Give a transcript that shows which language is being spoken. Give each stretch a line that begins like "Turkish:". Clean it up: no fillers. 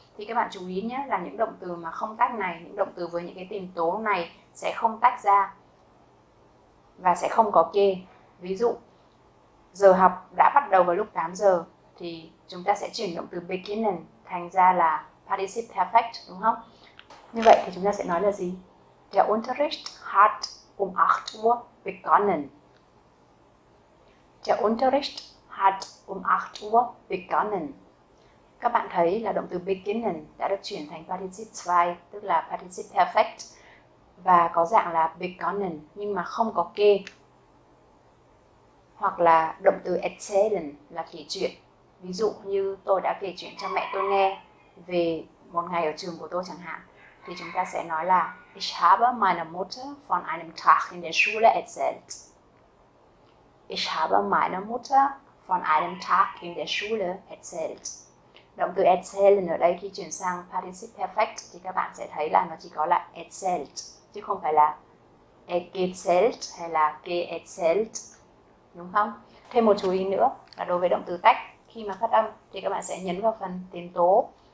Vietnamese: Thì các bạn chú ý nhé, là những động từ mà không tách này, những động từ với những cái tìm tố này sẽ không tách ra và sẽ không có ke. Ví dụ, giờ học đã bắt đầu vào lúc 8 giờ thì chúng ta sẽ chuyển động từ beginning thành ra là participle perfect, đúng không? Như vậy thì chúng ta sẽ nói là gì?
German: Der Unterricht hat um 8 Uhr begonnen. Der Unterricht hat um 8 Uhr begonnen.
Vietnamese: Các bạn thấy là động từ beginnen đã được chuyển thành participle 2, tức là participle perfect và có dạng là begonnen nhưng mà không có ke. Hoặc là động từ erzählen là kể chuyện. Ví dụ như tôi đã kể chuyện cho mẹ tôi nghe về một ngày ở trường của tôi chẳng hạn, thì chúng ta sẽ nói là
German: Ich habe meiner Mutter von einem Tag in der Schule erzählt. Ich habe meiner Mutter von einem Tag in der Schule erzählt.
Vietnamese: Động từ erzählen ở đây khi chuyển sang participle perfect thì các bạn sẽ thấy là nó chỉ có là erzählt chứ không phải là erzählt hay là geerzählt, đúng không? Thêm một chú ý nữa là đối với động từ tách, khi mà phát âm thì các bạn sẽ nhấn vào phần tiền tố.